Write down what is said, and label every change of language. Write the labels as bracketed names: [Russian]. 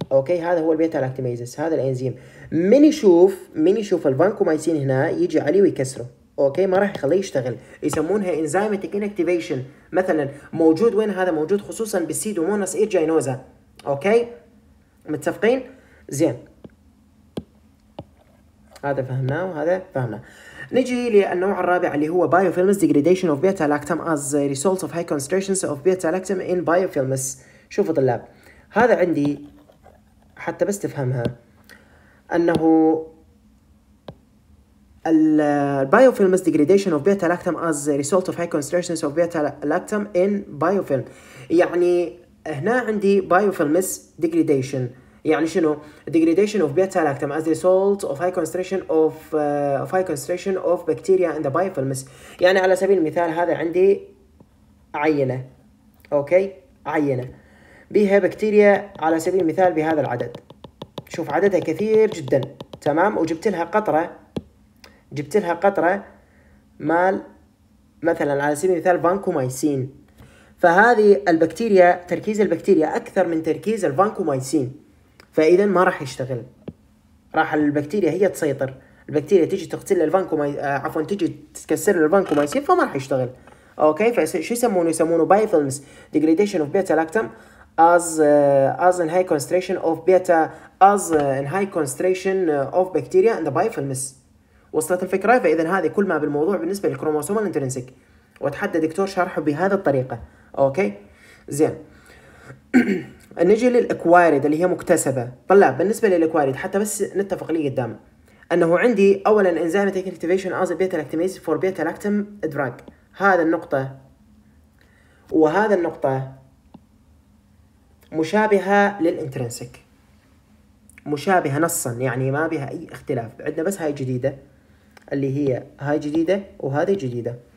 [Arabic] اوكي هذا هو البيتا لاكتيميزس، هذا الانزيم من يشوف الفانكومايسين هنا يجي عليه ويكسره. اوكي ما راح يخليه يشتغل، يسمونها انزيماتيك انكتيفيشن. مثلا موجود وين هذا؟ موجود خصوصا بالسيدوموناس ايرجينوزا. اوكي متفقين؟ زين هذا فهمناه وهذا فهمناه. نجي للنوع الرابع اللي هو [English] biofilms degradation of beta lactam as a result of high concentrations of beta lactam in biofilms. [Arabic] شوفوا طلاب هذا عندي حتى بس تفهمها، انه [English] biofilms degradation of beta lactam as a result of high concentrations of beta lactam in biofilm. [Arabic] يعني هنا عندي [English] biofilms degradation، يعني شنو degradation of beta lactam as a result of high concentration of high concentration of bacteria in the biofilms. [Arabic] يعني على سبيل المثال هذا عندي عينة، اوكي عينة بها بكتيريا على سبيل المثال بهذا العدد، شوف عددها كثير جدا تمام، وجبت لها قطرة، جبت لها قطرة مال مثلا على سبيل المثال فانكومايسين، فهذه البكتيريا تركيز البكتيريا اكثر من تركيز الفانكومايسين، فاذا ما راح يشتغل، راح البكتيريا هي تسيطر، البكتيريا تجي تقتل تجي تكسر الفانكومايسين فما راح يشتغل. اوكي فشو يسمونه؟ يسمونه [English] Biofilms degradation of beta lactam as in high concentration of beta as in high concentration of bacteria in the biofilms. [Arabic] وصلت الفكرة؟ فإذا هذه كل ما بالموضوع بالنسبة للكروموسوم الانترنسك، وتحدى دكتور شرحه بهذه الطريقة. أوكي زين نجي للأكوارد اللي هي مكتسبة. طلاب بالنسبة للأكوارد حتى بس نتفق لي قدام، أنه عندي أولا [English] enzymatic activation as a beta lactamase for beta lactam drug، [Arabic] هذا النقطة وهذا النقطة مشابهة للإنترنسك، مشابهة نصا يعني ما بها أي اختلاف، عندنا بس هاي جديدة اللي هي هاي جديدة وهذه جديدة.